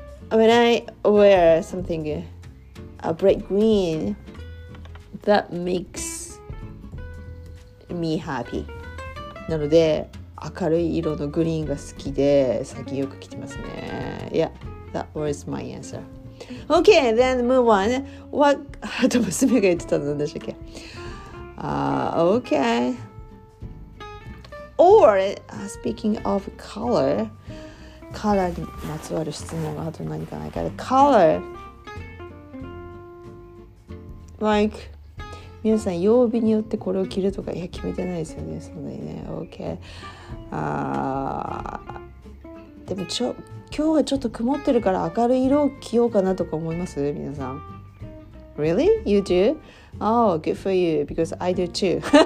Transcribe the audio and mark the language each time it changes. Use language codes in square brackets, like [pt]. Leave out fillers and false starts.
[en] When I wear something a bright green, that makes me happy. [ja] なので、明るい色のグリーンが好きで、最近よく着てますね。 [en] Yeah, that was my answer. Okay, then move on. What? [ja] あと娘が言ってたの何でしたっけ [en] Okay. Or, speaking of color, [ja] color にまつわる質問があと何かないか。 [en] Color, like, [ja] 皆さん曜日によってこれを着るとか、いや、決めてないですよね、そんなにね。 OK。でも今日はちょっと曇ってるから明るい色を着ようかなとか思います皆さん。 [en] Really? You do? Oh, good for you, because I do too.